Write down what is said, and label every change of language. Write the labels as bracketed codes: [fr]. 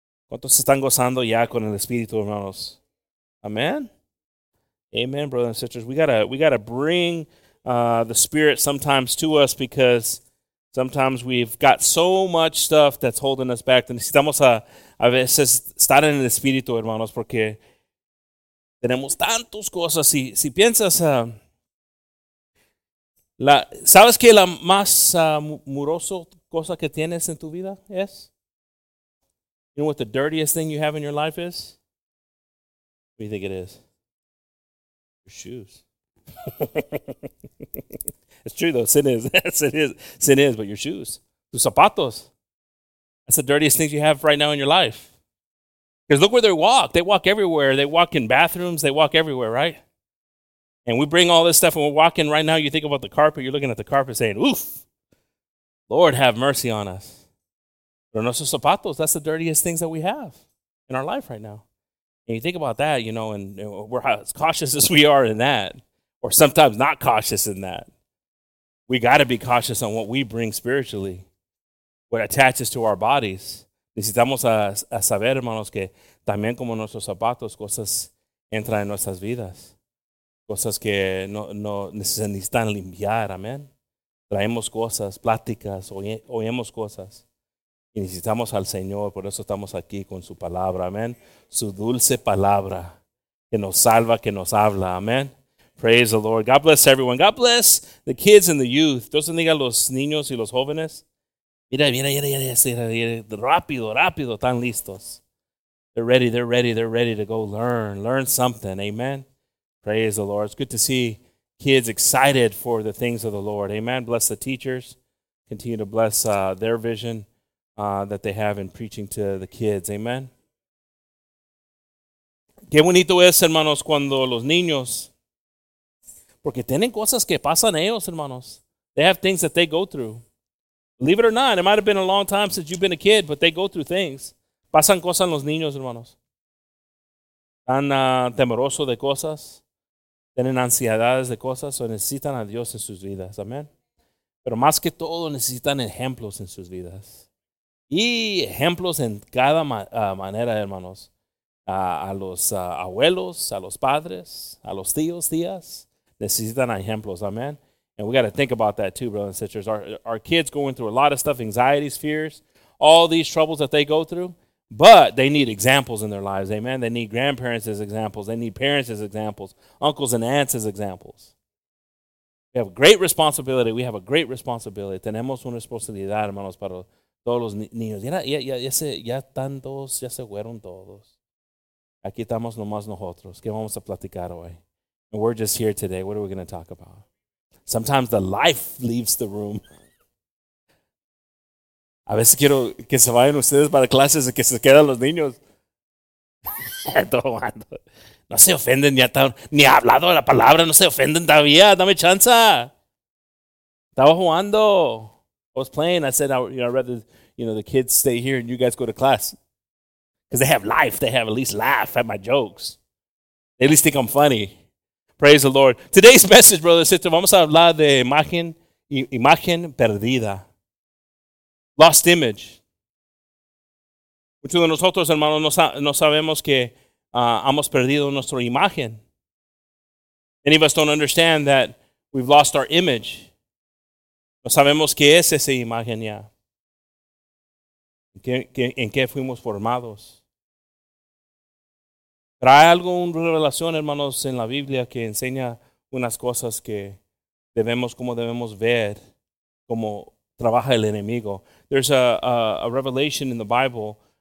[es] ¿Cuántos están gozando ya con el Espíritu, hermanos? [en] Amen. Amen, brothers and sisters. We gotta bring the Spirit sometimes to us because sometimes we've got so much stuff that's holding us back. [es] Necesitamos a veces estar en el Espíritu, hermanos, porque tenemos tantas cosas. Si piensas, ¿sabes qué la más muroso cosa que tienes en tu vida es? [en] You know what the dirtiest thing you have in your life is? What do you think it is? Your shoes. It's true, though. Sin is. Sin is. Sin is, but your shoes. [es] Tus zapatos. [en] That's the dirtiest things you have right now in your life. Because look where they walk. They walk everywhere. They walk in bathrooms. They walk everywhere, right? And we bring all this stuff, and we're walking right now. You think about the carpet. You're looking at the carpet saying, oof, Lord, have mercy on us. [es] Pero nuestros zapatos, [en] that's the dirtiest things that we have in our life right now. And you think about that, you know, and we're as cautious as we are in that, or sometimes not cautious in that. We got to be cautious on what we bring spiritually, what attaches to our bodies. [es] Necesitamos a saber, hermanos, que también como nuestros zapatos, cosas entran en nuestras vidas. Cosas que no necesitan limpiar, amén. Traemos cosas, pláticas, oímos cosas. Y necesitamos al Señor, por eso estamos aquí con su palabra, amén. Su dulce palabra, que nos salva, que nos habla, amén. [en] Praise the Lord. God bless everyone. God bless the kids and the youth. [es] Dios bendiga a los niños y los jóvenes. Mira, rápido, rápido, están listos. [en] They're ready, they're ready, they're ready to go learn something, amen. Praise the Lord. It's good to see kids excited for the things of the Lord, amen. Bless the teachers. Continue to bless their vision. That they have in preaching to the kids. Amen. [es] Qué bonito es, hermanos, cuando los niños, porque tienen cosas que pasan ellos, hermanos. [en] They have things that they go through. Believe it or not, it might have been a long time since you've been a kid, but they go through things. [es] Pasan cosas en los niños, hermanos. Están temerosos de cosas. Tienen ansiedades de cosas. O necesitan a Dios en sus vidas. Amen. Pero más que todo, necesitan ejemplos en sus vidas. Y ejemplos en cada manera, hermanos, a los abuelos, a los padres, a los tíos, tías, necesitan ejemplos, amen. [en] And we got to think about that too, brothers and sisters. Our kids going through a lot of stuff, anxieties, fears, all these troubles that they go through, but they need examples in their lives, amen. They need grandparents as examples. They need parents as examples, uncles and aunts as examples. We have a great responsibility. We have a great responsibility. [es] Tenemos una responsabilidad, hermanos, para todos los niños. Ya están todos, ya se fueron todos. Aquí estamos nomás nosotros. ¿Qué vamos a platicar hoy? [en] And we're just here today. What are we going to talk about? Sometimes the life leaves the room. [es] A veces quiero que se vayan ustedes para clases y que se quedan los niños. No se ofenden, ya están, ni ha hablado la palabra, no se ofenden todavía. Dame chance. Estaba jugando. [en] I was playing. I said, I'd rather, you know, the kids stay here and you guys go to class. Because they have life. They have at least laugh at my jokes. They at least think I'm funny. Praise the Lord. Today's message, brother and sister, [es] vamos a hablar de imagen perdida. [en] Lost image. [es] Muchos de nosotros, hermanos, no sabemos que hemos perdido nuestra imagen. [en] Many of us don't understand that we've lost our image. [es] No sabemos qué es esa imagen ya. ¿En qué fuimos formados? Pero hay alguna relación, hermanos, en la Biblia que enseña unas cosas que debemos, cómo debemos ver, cómo trabaja el enemigo. [en] There's a revelation in the Bible